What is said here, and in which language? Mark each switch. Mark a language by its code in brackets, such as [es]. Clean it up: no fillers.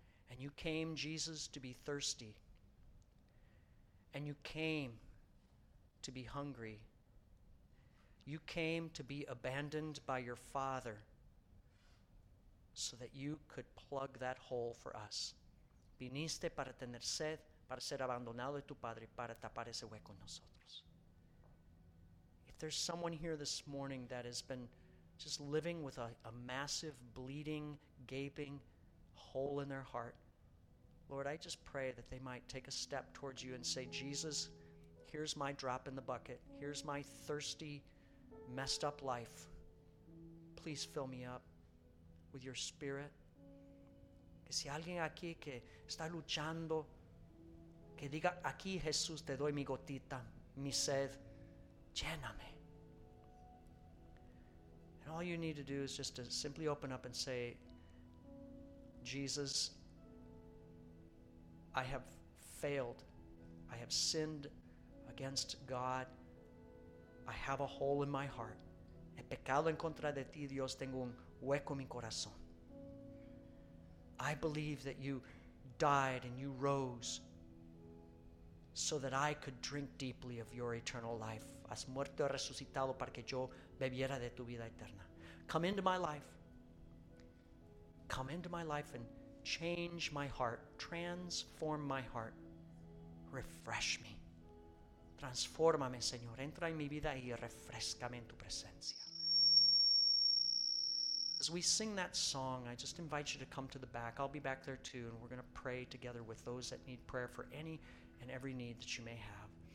[en] And you came, Jesus, to be thirsty. And you came to be hungry. You came to be abandoned by your Father so that you could plug that hole for us. [es] Viniste para tener sed, para ser abandonado de tu Padre, para tapar ese hueco en nosotros. [en] If there's someone here this morning that has been just living with a massive, bleeding, gaping hole in their heart, Lord, I just pray that they might take a step towards you and say, Jesus, here's my drop in the bucket. Here's my thirsty, messed up life. Please fill me up with your Spirit. [es] Que si alguien aquí que está luchando, que diga, aquí Jesús te doy mi gotita, mi sed, lléname. [en] And all you need to do is just to simply open up and say, Jesus, I have failed. I have sinned against God. I have a hole in my heart. [es] He pecado en contra de ti, Dios, tengo un hueco en mi corazón. [en] I believe that you died and you rose so that I could drink deeply of your eternal life. [es] Has muerto y resucitado para que yo bebiera de tu vida eterna. [en] Come into my life. Come into my life and change my heart. Transform my heart. Refresh me. [es] Transformame, Señor. Entra en mi vida y refrescame en tu presencia. [en] As we sing that song, I just invite you to come to the back. I'll be back there too, and we're going to pray together with those that need prayer for any and every need that you may have.